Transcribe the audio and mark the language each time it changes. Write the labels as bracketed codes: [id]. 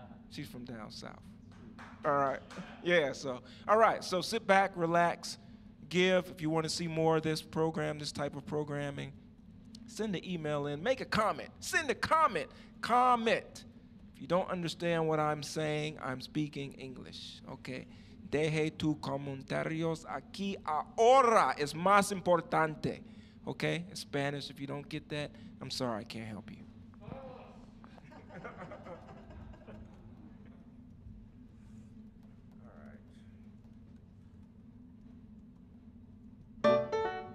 [en] She's from down south. All right. Yeah, so. All right. So sit back, relax. Give. If you want to see more of this program, this type of programming, send an email in. Make a comment. Send a comment. Comment. If you don't understand what I'm saying, I'm speaking English. Okay. [es] Deje tu comentarios aquí ahora. Es más importante. Okay. [en] In Spanish, if you don't get that, I'm sorry, I can't help you. Thank you.